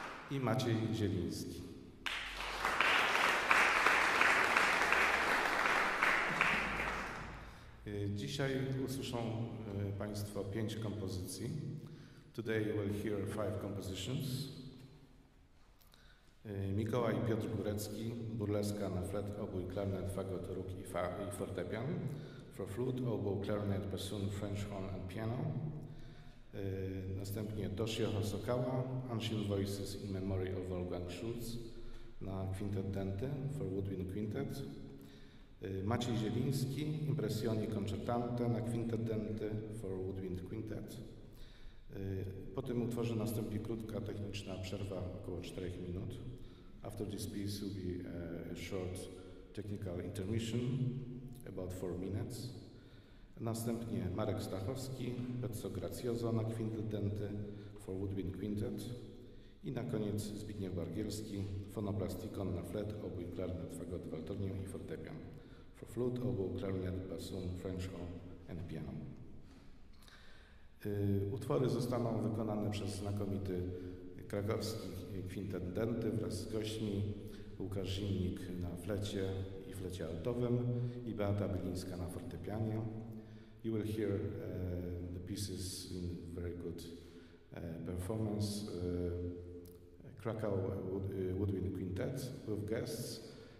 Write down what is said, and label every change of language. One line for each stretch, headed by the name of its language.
Polish: I Maciej Zieliński. Dzisiaj usłyszą Państwo 5 kompozycji.
English: Today you will hear 5 compositions.
Polish: Mikołaj i Piotr Górecki, burleska na flet, oboe, clarinet, fagot, róg i fortepian.
English: For flute, oboe, clarinet, bassoon, French horn and piano.
Polish: Następnie Toshio Hosokawa, Unseen Voices in Memory of Wolfgang Schulz na quintet dente,
English: for woodwind quintet.
Polish: Maciej Zieliński, Impressioni concertante na quintet dente,
English: for woodwind quintet.
Polish: Po tym utworze nastąpi krótka techniczna przerwa około 4 minut.
English: After this piece will be a short technical intermission, about 4 minutes.
Polish: Następnie Marek Stachowski, Pezzo Grazioso na quintet dente,
English: for woodwind quintet.
Polish: I na koniec Zbigniew Bargielski, Fonoplastikon na flet, oboe, clarinet, fagot, waltornię i fortepian.
English: For flute, oboe, clarinet, bassoon, French horn and piano.
Polish: Utwory zostaną wykonane przez znakomity krakowski quintet dente wraz z gośćmi Łukasz Zimnik na flecie i flecie altowym i Beata Bylińska na fortepianie.
English: You will hear the pieces in very good performance. Krakow Woodwind Quintet with guests.